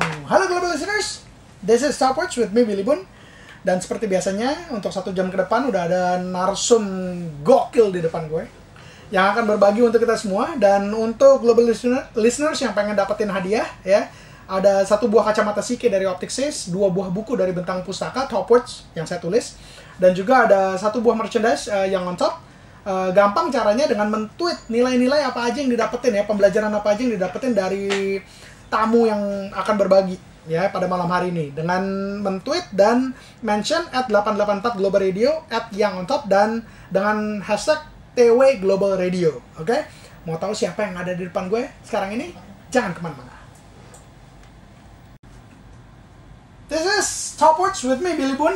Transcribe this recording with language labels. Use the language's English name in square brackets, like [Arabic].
[English] Halo Global Listeners, this is Stopwatch with me, Billy Boon. [Indonesian] Dan seperti biasanya, untuk 1 jam ke depan udah ada narsum gokil di depan gue yang akan berbagi untuk kita semua. Dan untuk Global Listeners yang pengen dapetin hadiah ya, ada 1 buah kacamata Sike dari Opticsys, 2 buah buku dari Bentang Pustaka, Topwatch yang saya tulis, dan juga ada 1 buah merchandise yang on top. Gampang caranya dengan men-tweet nilai-nilai apa aja yang didapetin ya, pembelajaran apa aja yang didapetin dari tamu yang akan berbagi ya pada malam hari ini, dengan men-tweet dan mention at 884 Global Radio, at yang on top, dan dengan hashtag TW Global Radio. Oke, mau tahu siapa yang ada di depan gue sekarang ini? Jangan kemana-mana. [English] This is Topwatch with me, Billy Boon.